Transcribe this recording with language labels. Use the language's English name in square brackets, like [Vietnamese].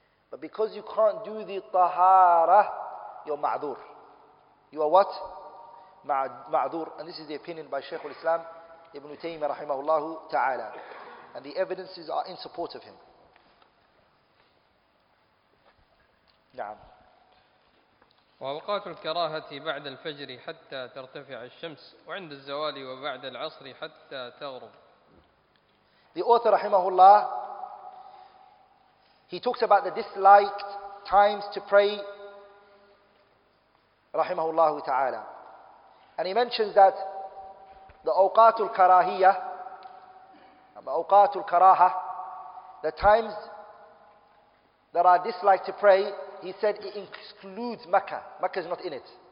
[English] But because you can't do the tahara, you're ma'adur. You are what? Ma'adur. And this is the opinion by Shaykh al-Islam, Ibn Taymiyyah rahimahullah ta'ala. And the evidences are in support of him. Na'am. [Arabic] وأوقات الكراهة بعد الفجر حتى ترتفع الشمس وعند الزوال وبعد العصر حتى تغرب. [English] The author, rahimahullah, he talks about the disliked times to pray, rahimahullah ta'ala. And he mentions that the أوقات الكراهية, أوقات الكراهة, the times that are disliked to pray, he said it excludes Mecca. Mecca is not in it.